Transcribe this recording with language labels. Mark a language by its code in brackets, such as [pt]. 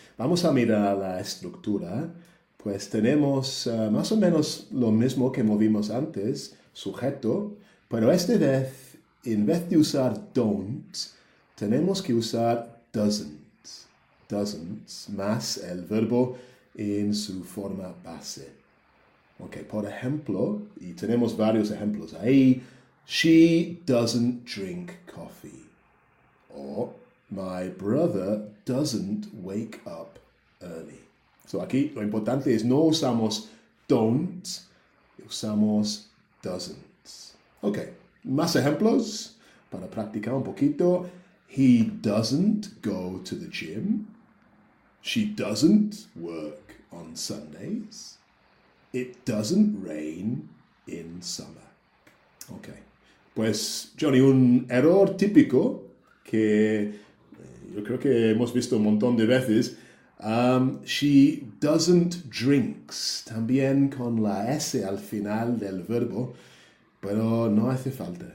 [es] Vamos a mirar la estructura. Pues tenemos más o menos lo mismo que movimos antes, sujeto, pero esta vez, en vez de usar don't, tenemos que usar doesn't. Doesn't más el verbo en su forma base. Ok, por ejemplo, y tenemos varios ejemplos ahí, [en] she doesn't drink coffee. O my brother doesn't wake up early. [es] So aquí lo importante es no usamos don't, usamos doesn't. Ok, más ejemplos para practicar un poquito. [en] He doesn't go to the gym. She doesn't work on Sundays. It doesn't rain in summer. [es] Ok, pues Johnny, un error típico que yo creo que hemos visto un montón de veces. [en] She doesn't drinks, [es] también con la S al final del verbo, pero no hace falta.